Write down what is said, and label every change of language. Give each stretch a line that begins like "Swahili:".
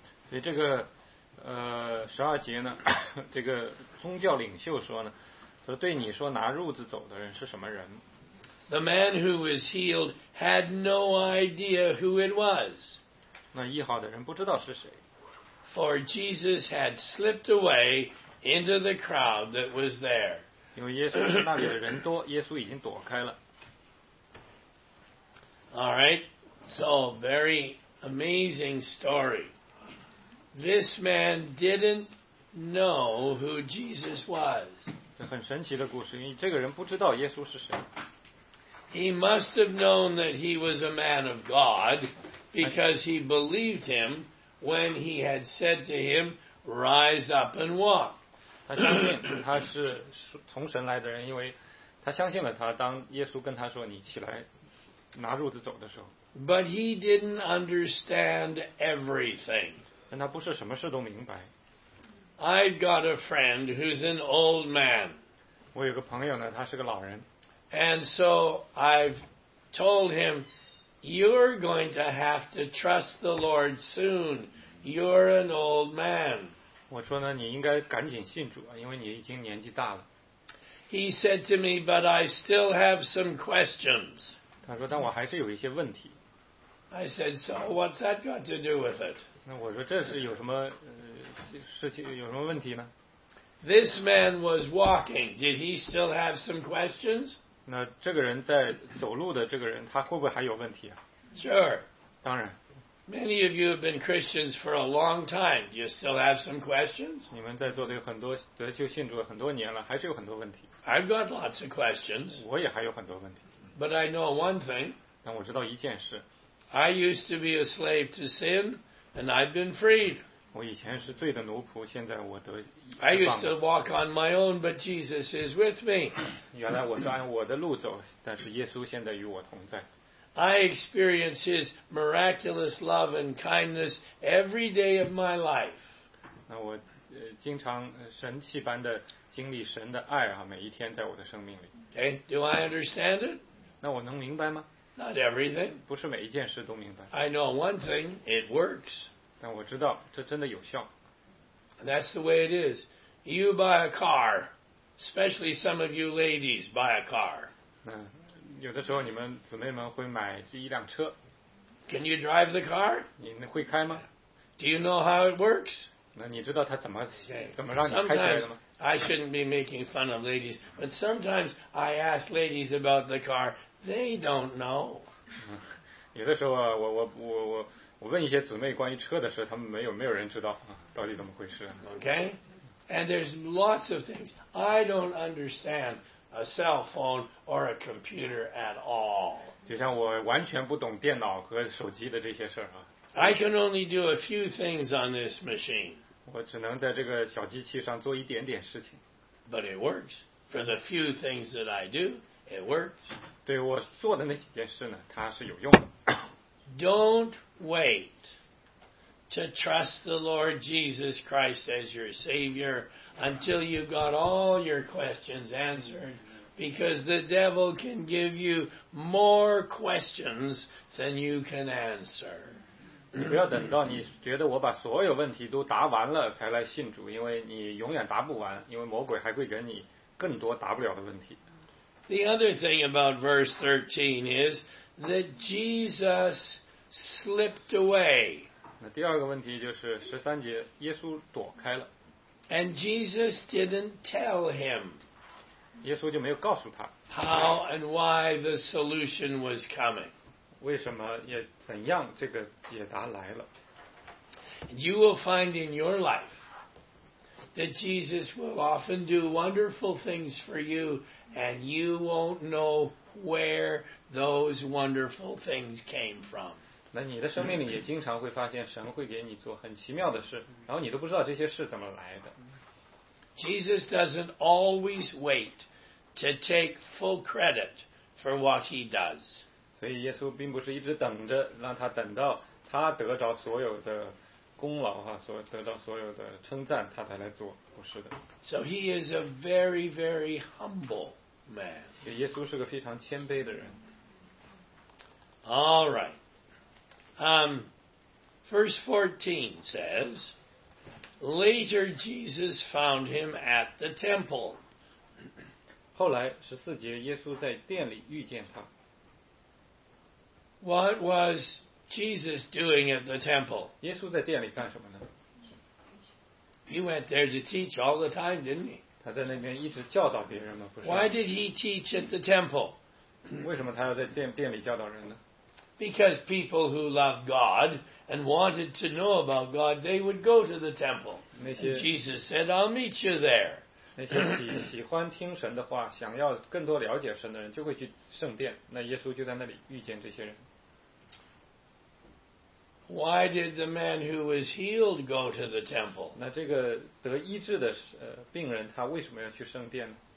Chinese: 所以这个十二节呢，这个宗教领袖说呢，说对你说拿褥子走的人是什么人
English: ？The man who was healed had no idea who it was.
Chinese: 那医好的人不知道是谁。
English: For Jesus had slipped away into the crowd that was there.
Chinese: 因为耶稣那里的人多，耶稣已经躲开了。
English: All right, so very amazing story. This man didn't know who Jesus was.
Chinese: 这很神奇的故事，因为这个人不知道耶稣是谁。
English: He must have known that he was a man of God because he believed him when he had said to him, "Rise up and walk."
Chinese: 他相信他是从神来的人，因为他相信了他。当耶稣跟他说你起来拿褥子走的时候。
English: But he didn't understand everything.
Chinese: 但他不是什么事都明白。
English: I've got a friend who's an old man.
Chinese: 我有个朋友呢，他是个老人。
English: And so I've told him, you're going to have to trust the Lord soon. You're an old man.
Chinese: 我说呢，你应该赶紧信主啊，因为你已经年纪大了。
English: He said to me, but I still have some questions.
Chinese: 他说，但我还是有一些问题。
English: I said, so what's that got to do with it?
Chinese: 那我说这是有什么事情有什么问题呢
English: ？This man was walking. Did he still have some questions?
Chinese: 那这个人在走路的这个人，他会不会还有问题啊
English: ？Sure.
Chinese: 当然。
English: Many of you have been Christians for a long time. Do you still have some questions?
Chinese: 你们在座的有很多得救信主很多年了，还是有很多问题。
English: I've got lots of questions.
Chinese: 我也还有很多问题。
English: But I know one thing.
Chinese: 但我知道一件事。
English: I used to be a slave to sin. And I've been freed.
Chinese: 我以前是罪的奴仆，现在我得。
English: I used to walk on my own, but Jesus is with me.
Chinese: 原来我是按我的路走，但是耶稣现在与我同在。
English: I experience His miraculous love and kindness every day of my life.
Chinese: 那我经常神奇般的经历神的爱啊，每一天在我的生命里。
English: Okay, do I understand it?
Chinese: 那我能明白吗？
English: Not everything.
Chinese: 不是每一件事都明白。
English: I know one thing, it works.
Chinese: 但我知道这真的有效。
English: That's the way it is. You buy a car, especially some of you ladies buy a car.
Chinese: 有的时候你们姊妹们会买这一辆车。
English: Can you drive the car?
Chinese: 你会开吗
English: Do you know how it works?
Chinese: 那你知道它怎么让你开起来的吗？
English: Sometimes I shouldn't be making fun of ladies, but sometimes I ask ladies about the car. They don't know.
Chinese: 有的时候啊，我问一些姊妹关于车的事，他们没有人知道啊，到底怎么回事
English: ？Okay, and there's lots of things I don't understand a cell phone or a computer at all.
Chinese: 就像我完全不懂电脑和手机的这些事啊。
English: I can only do a few things on this machine.
Chinese: 我只能在这个小机器上做一点点事情。
English: But it works. For the few things that I do, it works.
Chinese: 对我做的那几件事呢，它是有用的。
English: Don't wait to trust the Lord Jesus Christ as your Savior until you've got all your questions answered, because the devil can give you more questions than you can answer.
Chinese: 你不要等到你觉得我把所有问题都答完了才来信主，因为你永远答不完，因为魔鬼还会给你更多答不了的问题。
English: The other thing about verse 13 is that Jesus slipped away.
Chinese: 那第二个问题就是十三节，耶稣躲开了。
English: And Jesus didn't tell him.
Chinese: 耶稣就没有告诉他。
English: How and why the solution was coming.
Chinese: 为什么也怎样这个解答来了。
English: You will find in your life that Jesus will often do wonderful things for you, and you won't know where those wonderful things came from.
Chinese: 那你的生命里也经常会发现神会给你做很奇妙的事，然后你都不知道这些事怎么来的。
English: Jesus doesn't always wait to take full credit for what he does.
Chinese: 所以耶稣并不是一直等着让他等到他得着所有的功劳哈，所得到所有的称赞，他才来做，不是的。
English: So he is a very, very humble man.
Chinese: 耶稣是个非常谦卑的人。
English: All right. Verse 14 says, later Jesus found him at the temple.
Chinese: 后来十四节，耶稣在殿里遇见他。
English: What was Jesus doing at the temple?
Chinese: 耶稣在殿里干什么呢？
English: He went there to teach all the time, didn't he?
Chinese: 他在那边一直教导别人吗？不是。
English: Why did he teach at the temple?
Chinese: 为什么他要在殿里教导人呢？
English: Because people who loved God and wanted to know about God, they would go to the temple. And Jesus said, I'll meet you there.
Chinese: 那些喜欢听神的话，想要更多了解神的人，就会去圣殿。那耶稣就在那里遇见这些人。
English: Why did the man who was healed go to the temple?
Chinese: 那这个得医治的病人，他为什么要去圣殿呢？